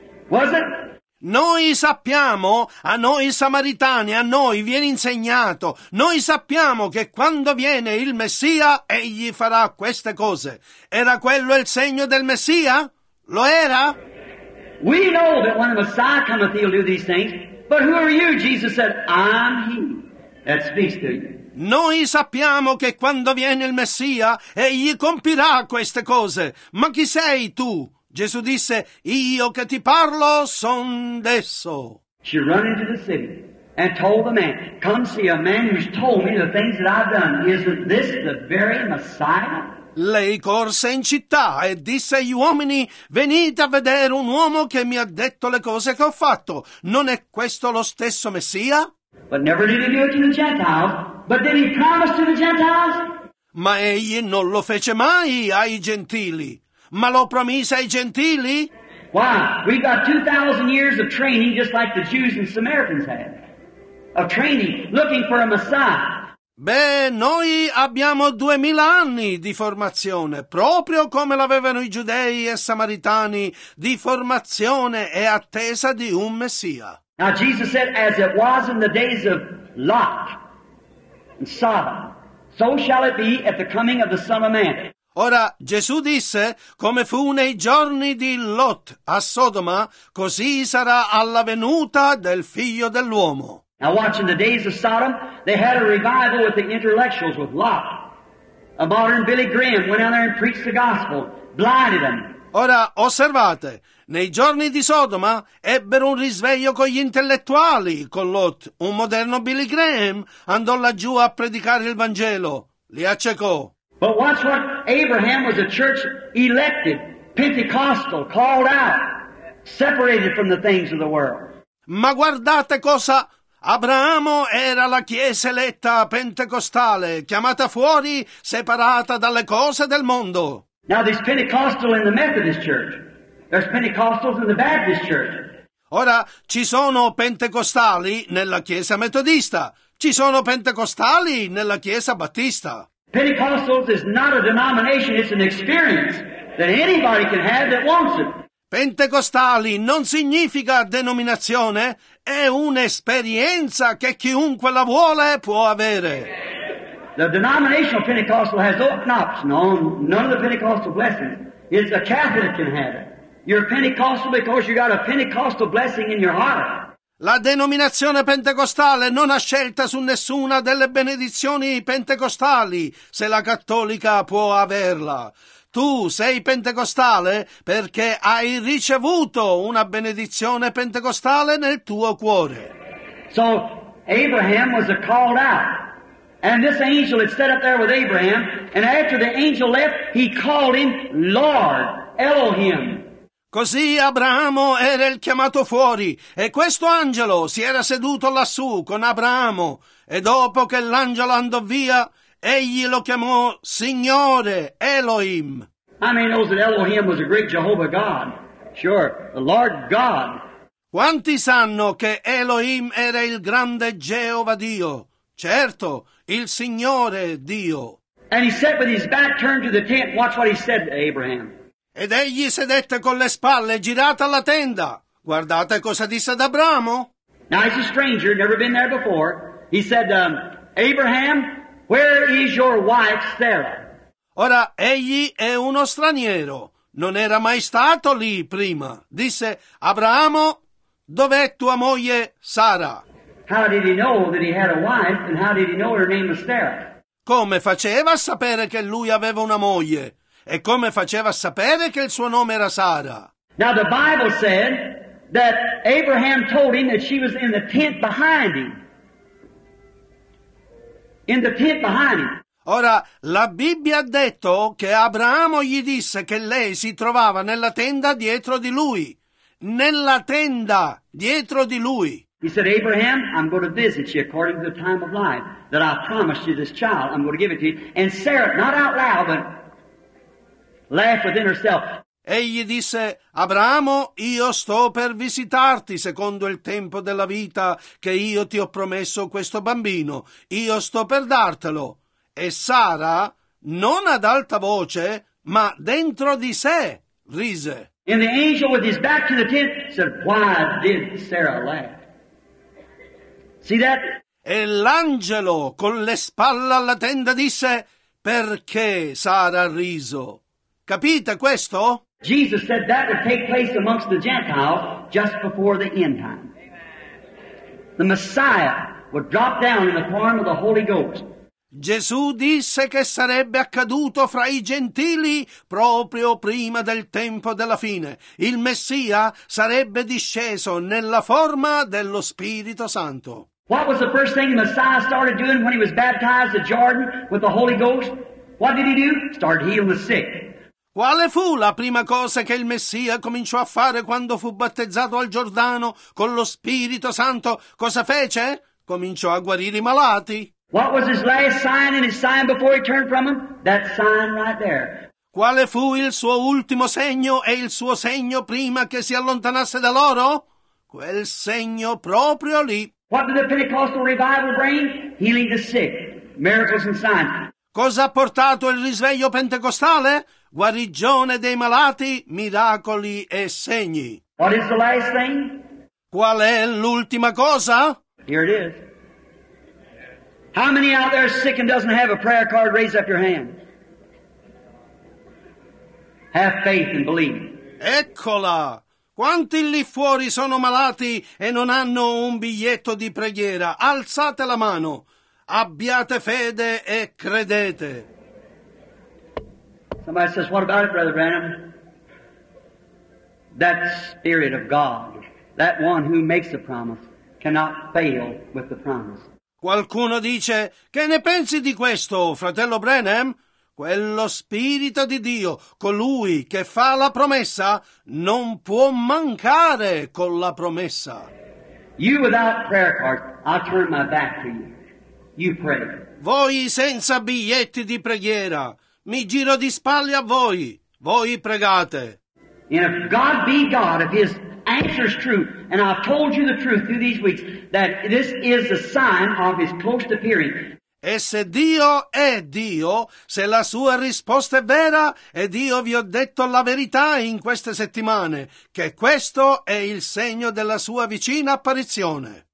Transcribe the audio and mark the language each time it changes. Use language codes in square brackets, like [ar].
[en] Was it? [it] Noi sappiamo, a noi samaritani, a noi viene insegnato, noi sappiamo che quando viene il Messia, egli farà queste cose. Era quello il segno del Messia? Lo era? [en] We know that when the Messiah cometh, he'll do these things. But who are you? Jesus said, I'm he that speaks to you. [it] Noi sappiamo che quando viene il Messia, egli compirà queste cose. Ma chi sei tu? Gesù disse, io che ti parlo son d'esso. [en] She ran into the city and told the man, come see a man who's told me the things that I've done. Isn't this the very Messiah? [it] Lei corse in città e disse agli uomini, venite a vedere un uomo che mi ha detto le cose che ho fatto. Non è questo lo stesso Messia? [en] But never did he do it to the Gentiles. But did he promise to the Gentiles? [it] Ma egli non lo fece mai ai gentili. Ma lo promise ai gentili? [en] Why? We got 2,000 years of training just like the Jews and Samaritans had. Of training, looking for a Messiah. [it] Beh, noi abbiamo 2,000 anni di formazione, proprio come l'avevano i giudei e samaritani, di formazione e attesa di un Messia. [en] Now Jesus said, as it was in the days of Lot and Sodom, so shall it be at the coming of the Son of Man. [it] Ora, Gesù disse, come fu nei giorni di Lot a Sodoma, così sarà alla venuta del Figlio dell'Uomo. [en] Now watch, in the days of Sodom, they had a revival with the intellectuals, with Lot. A modern Billy Graham went out there and preached the gospel, blinded them. [it] Ora, osservate, nei giorni di Sodoma ebbero un risveglio con gli intellettuali, con Lot. Un moderno Billy Graham andò laggiù a predicare il Vangelo, li accecò. [en] But watch what Abraham was a church elected, Pentecostal, called out, separated from the things of the world. [it] Ma guardate cosa Abramo era la chiesa eletta pentecostale, chiamata fuori, separata dalle cose del mondo. [en] Now there's Pentecostal in the Methodist church. There's Pentecostals in the Baptist church. [it] Ora ci sono pentecostali nella chiesa metodista. Ci sono pentecostali nella chiesa battista. [en] Pentecostals is not a denomination, it's an experience that anybody can have that wants it. [it] Pentecostali non significa denominazione, è un'esperienza che chiunque la vuole può avere. [en] The denominational Pentecostal has none of the Pentecostal blessings. It's a Catholic can have it. You're Pentecostal because you got a Pentecostal blessing in your heart. [it] La denominazione pentecostale non ha scelta su nessuna delle benedizioni pentecostali, se la cattolica può averla. Tu sei pentecostale perché hai ricevuto una benedizione pentecostale nel tuo cuore. [en] So Abraham was called out. And this angel had set up there with Abraham, and after the angel left, he called him Lord, Elohim. [it] Così Abramo era il chiamato fuori, e questo angelo si era seduto lassù con Abramo, e dopo che l'angelo andò via, egli lo chiamò Signore, Elohim. [en] How many knows that Elohim was a great Jehovah God? Sure, the Lord God. [it] Quanti sanno che Elohim era il grande Geova Dio? Certo, il Signore Dio. [en] And he sat with his back turned to the tent, watch what he said to Abraham. [it] Ed egli sedette con le spalle girate alla tenda. Guardate cosa disse ad Abramo. [en] Now he's a stranger, never been there before. He said, Abraham, where is your wife Sarah? [it] Ora, egli è uno straniero. Non era mai stato lì prima. Disse, Abramo, dov'è tua moglie Sara? [en] How did he know that he had a wife and how did he know her name was Sarah? [it] Come faceva a sapere che lui aveva una moglie? E come faceva a sapere che il suo nome era Sara? [en] Now the Bible said that Abraham told him that she was in the tent behind him. In the tent behind him. [it] Ora, la Bibbia ha detto che Abramo gli disse che lei si trovava nella tenda dietro di lui. Nella tenda dietro di lui. [en] He said, Abraham, I'm going to visit you according to the time of life that I promised you this child. I'm going to give it to you. And Sarah, not out loud, but laughed within herself. [it] Egli disse, Abramo, io sto per visitarti secondo il tempo della vita che io ti ho promesso questo bambino. Io sto per dartelo. E Sara, non ad alta voce, ma dentro di sé, rise. [en] And the angel with his back to the tent said, why did Sarah laugh? See that? [it] E l'angelo con le spalle alla tenda disse, perché Sara ha riso? Capite questo? [en] Jesus said that would take place amongst the Gentiles just before the end time. The Messiah would drop down in the form of the Holy Ghost. [it] Gesù disse che sarebbe accaduto fra i gentili proprio prima del tempo della fine. Il Messia sarebbe disceso nella forma dello Spirito Santo. [en] What was the first thing the Messiah started doing when he was baptized at Jordan with the Holy Ghost? What did he do? Started healing the sick. [it] Quale fu la prima cosa che il Messia cominciò a fare quando fu battezzato al Giordano con lo Spirito Santo? Cosa fece? Cominciò a guarire i malati. [en] What was his last sign and his sign before he turned from them? That sign right there. [it] Quale fu il suo ultimo segno e il suo segno prima che si allontanasse da loro? Quel segno proprio lì. [en] What did the Pentecostal revival bring? Healing the sick, miracles and signs. [it] Cosa ha portato il risveglio pentecostale? Guarigione dei malati, miracoli e segni. [en] What is the last thing? [it] Qual è l'ultima cosa? [en] Here it is. How many out there sick and doesn't have a prayer card? Raise up your hand. Have faith and believe. [it] Eccola! Quanti lì fuori sono malati e non hanno un biglietto di preghiera? Alzate la mano. Abbiate fede e credete. [en] Somebody says, what about it, Brother Branham? That Spirit of God, that one who makes the promise, cannot fail with the promise. [it] Qualcuno dice, che ne pensi di questo, fratello Branham? Quello Spirito di Dio, colui che fa la promessa, non può mancare con la promessa. [en] You without prayer card, I'll turn my back to you. You pray. [it] Voi senza biglietti di preghiera, mi giro di spalle a voi. Voi pregate. [en] And if God be God, if His answer is true, and I've told you the truth through these weeks, that this is the sign of His close appearing. [it] E se Dio è Dio, se la sua risposta è vera, ed io vi ho detto la verità in queste settimane, che questo è il segno della sua vicina apparizione.